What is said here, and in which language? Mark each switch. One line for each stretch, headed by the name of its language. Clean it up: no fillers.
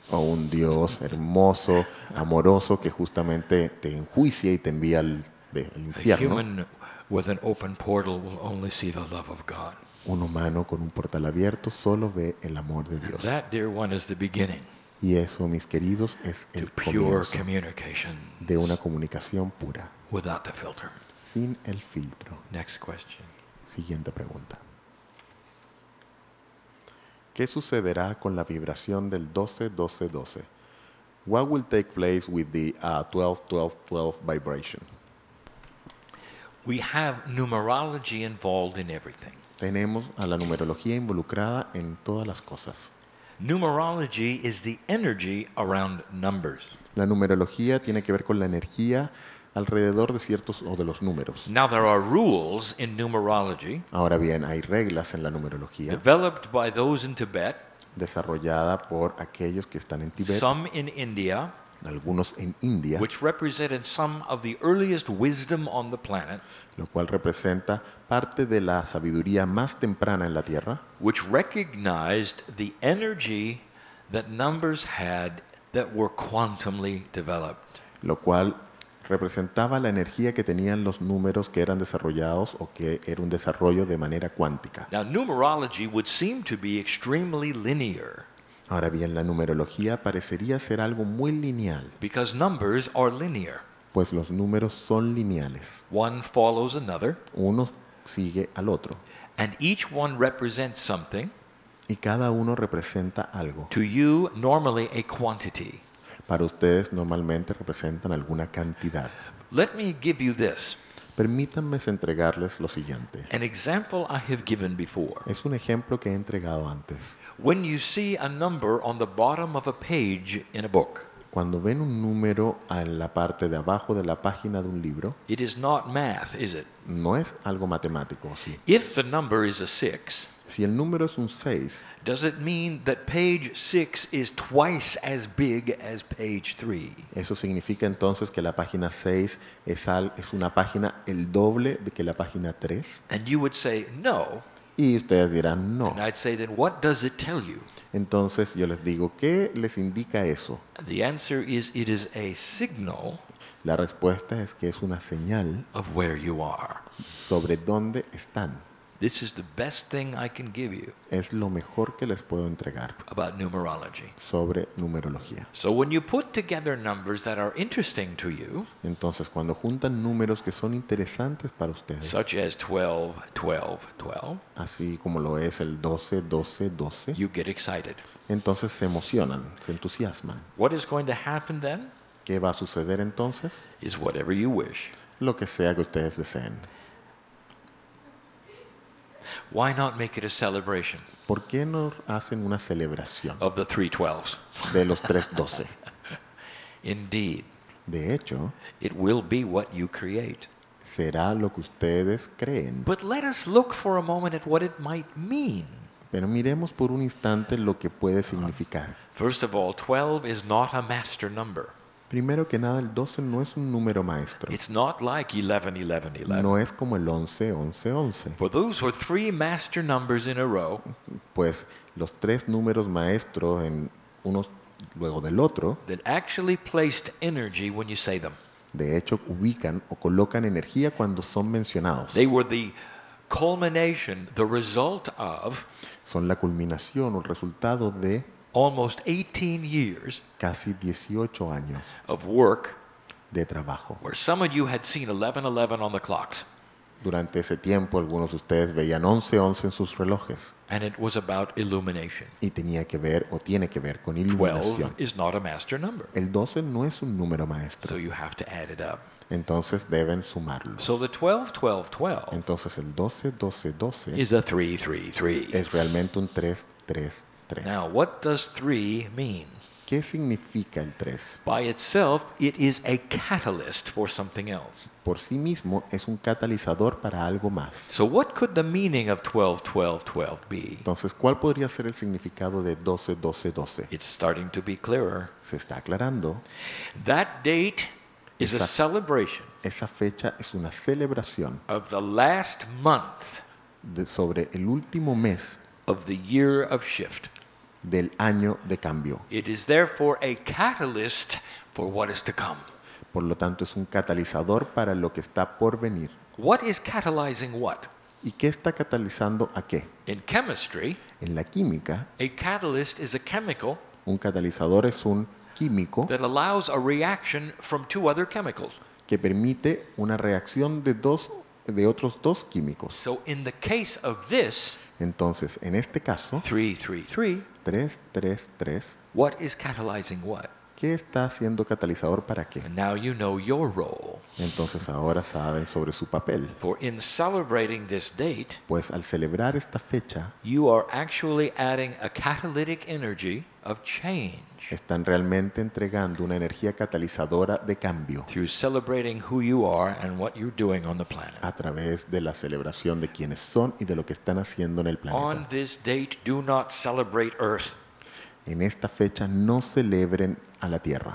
Spanish: O un Dios hermoso, amoroso que justamente te enjuicia y te envía al infierno.
English: A human with an open portal will only see the love of God.
Spanish: Un humano con un portal abierto solo ve el amor de Dios.
English: That, dear one, is the beginning.
Spanish: Y eso, mis queridos, es el comienzo de una comunicación pura.
English: Without the filter.
Spanish: Sin el filtro.
English: Next question.
Spanish: Siguiente pregunta. ¿Qué sucederá con la vibración del 12-12-12?
English: What will take place with the 12-12-12 vibration? We have numerology involved in everything.
Spanish: Tenemos a la numerología involucrada en todas las cosas.
English: Numerology is the energy around numbers.
Spanish: La numerología tiene que ver con la energía alrededor de ciertos o de los números.
English: Now there are rules in numerology.
Spanish: Ahora bien, hay reglas en la numerología.
English: Developed by those in Tibet.
Spanish: Desarrollada por aquellos que están en Tibet.
English: Some in India.
Spanish: Algunos en India.
English: Which represented some of the earliest wisdom on the planet.
Spanish: Lo cual representa parte de la sabiduría más temprana en la Tierra.
English: Which recognized the energy that numbers had that were quantumly developed.
Spanish: Lo cual representaba la energía que tenían los números que eran desarrollados o que era un desarrollo de manera cuántica.
English: Now, numerology would seem to be extremely linear.
Spanish: Ahora bien, la numerología parecería ser algo muy lineal.
English: Because numbers are linear.
Spanish: Pues los números son lineales.
English: One follows another.
Spanish: Uno sigue al otro.
English: And each one represents something.
Spanish: Y cada uno representa algo.
English: To you, normally a quantity.
Spanish: Para ustedes normalmente representan alguna cantidad.
English: Let me give you this.
Spanish: Permítanme entregarles lo siguiente.
English: An example I have given before.
Spanish: Es un ejemplo que he entregado antes.
English: When you see a number on the bottom of a page in a book.
Spanish: Cuando ven un número en la parte de abajo de la página de un libro.
English: It is not math, is it?
Spanish: No es algo matemático, sí.
English: If the number is a 6.
Spanish: Si el número es un 6.
English: Does it mean that page 6 is twice as big as page 3?
Spanish: Eso significa entonces que la página 6 es una página el doble de que la página 3?
English: And you would say no.
Spanish: Y ustedes dirán no.
English: And I'd say, then what does it tell you?
Spanish: Entonces yo les digo, ¿qué les indica eso?
English: The answer is it is a signal.
Spanish: La respuesta es que es una señal
English: of where you are.
Spanish: Sobre dónde están.
English: This is the best thing I can give you.
Spanish: Es lo mejor que les puedo entregar.
English: About numerology.
Spanish: Sobre numerología.
English: So when you put together numbers that are interesting to you.
Spanish: Entonces cuando juntan números que son interesantes para ustedes.
English: Such as 12, 12, 12.
Spanish: Así como lo es el 12, 12, 12.
English: You get excited.
Spanish: Entonces se emocionan, se entusiasman.
English: What is going to happen then?
Spanish: ¿Qué va a suceder entonces?
English: Is whatever you wish.
Spanish: Lo que sea que ustedes deseen.
English: Why not make it a celebration?
Spanish: ¿Por qué no hacen una celebración?
English: Of the 312s.
Spanish: De los 312.
English: Indeed.
Spanish: De hecho,
English: it will be what you create.
Spanish: Será lo que ustedes creen.
English: But let us look for a moment at what it might mean.
Spanish: Pero miremos por un instante lo que puede significar.
English: First of all, 12 is not a master number.
Spanish: Primero que nada, el 12 no es un número maestro.
English: It's not like 11, 11, 11.
Spanish: No es como el 11, 11, 11.
English: For those were three master numbers in a row.
Spanish: Pues los tres números maestros en unos luego del otro.
English: That actually placed energy when you say them.
Spanish: De hecho, ubican o colocan energía cuando son mencionados.
English: They were the culmination, the result of.
Spanish: Son la culminación o el resultado de.
English: Almost 18 years.
Spanish: Casi 18 años.
English: Of work.
Spanish: De trabajo.
English: Where some of you had seen 11, 11 on the clocks.
Spanish: Durante ese tiempo, algunos de ustedes veían 11, 11 en sus relojes.
English: And it was about illumination.
Spanish: Y tenía que ver o tiene que ver con iluminación.
English: 12 is not a master number.
Spanish: El 12 no es un número maestro.
English: So you have to add it up.
Spanish: Entonces deben sumarlo.
English: So the 12, 12, 12.
Spanish: Entonces el 12, 12, 12.
English: Is a 3, 3, 3.
Spanish: Es realmente un 3, 3, 3.
English: Now, what does 3 mean?
Spanish: ¿Qué significa el 3?
English: By itself, it is a catalyst for something else.
Spanish: Por sí mismo es un catalizador para algo más.
English: So what could the meaning of 12, 12, 12 be?
Spanish: Entonces, ¿cuál podría ser el significado de 12, 12, 12?
English: It's starting to be clearer.
Spanish: Se está aclarando.
English: That date is a celebration.
Spanish: Esa fecha es una celebración.
English: Of the last month.
Spanish: Sobre el último mes.
English: Of the year of shift.
Spanish: Del año de cambio.
English: It is therefore a catalyst for what is to come.
Spanish: Por lo tanto, es un catalizador para lo que está por venir.
English: What is catalyzing what?
Spanish: ¿Y qué está catalizando a qué?
English: In chemistry,
Spanish: en la química,
English: a catalyst is a chemical.
Spanish: Un catalizador es un químico.
English: That allows a reaction from two other chemicals.
Spanish: Que permite una reacción de otros dos químicos.
English: So in the case of this.
Spanish: Entonces, en este caso, 333,
English: what is catalyzing what?
Spanish: ¿Qué está haciendo catalizador para qué?
English: And now you know your role.
Spanish: Entonces, ahora saben sobre su papel.
English: For in celebrating this date,
Spanish: pues al celebrar esta fecha,
English: you are actually adding a catalytic energy of change.
Spanish: Están realmente entregando una energía catalizadora de cambio.
English: Through celebrating who you are and what you're doing on the planet.
Spanish: A través de la celebración de quienes son y de lo que están haciendo en el planeta.
English: On this date, do not celebrate Earth.
Spanish: En esta fecha no celebren a la Tierra.